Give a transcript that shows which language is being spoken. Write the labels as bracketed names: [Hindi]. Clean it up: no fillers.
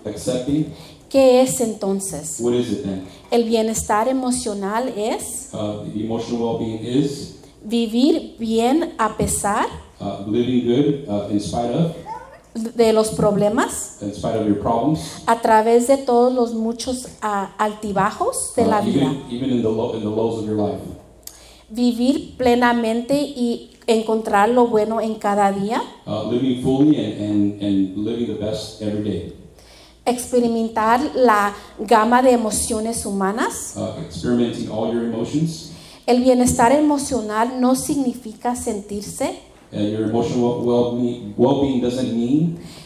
[English] accepting, [Spanish] ¿qué es entonces? [English] What is it then? [Spanish] El bienestar emocional es [English] the emotional well-being is [Spanish] vivir bien a pesar [English] living good in spite of [Spanish] de los problemas, [English] in spite of your problems, [Spanish] a través de todos los muchos altibajos de la vida, [English] even in the lows of your life, [Spanish] vivir plenamente y encontrar lo bueno en cada día, [English] living fully and living the best every day, [Spanish] experimentar la gama de emociones humanas, [English] experimenting all your emotions. [Spanish] El bienestar emocional no significa sentirse. [English] And your emotional well-being doesn't mean